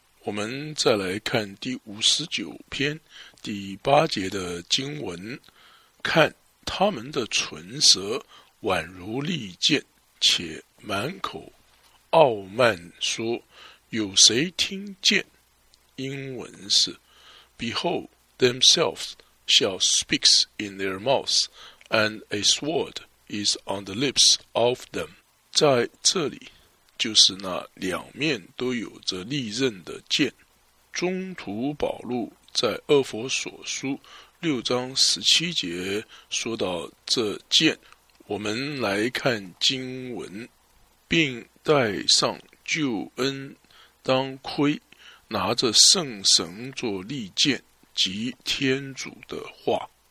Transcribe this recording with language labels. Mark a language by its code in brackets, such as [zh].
[zh] 我们再来看第59篇第八节的经文，看他们的唇舌宛如利剑，且满口傲慢说，有谁听见？英文是 [en] Behold themselves shall speak in their mouths, and a sword is on the lips of them. [zh] 在这里就是那两面都有着利刃的剑。中途保禄在厄佛所书六章十七节说到这剑，我们来看经文，并戴上救恩当盔，拿着圣神做利剑，即天主的话。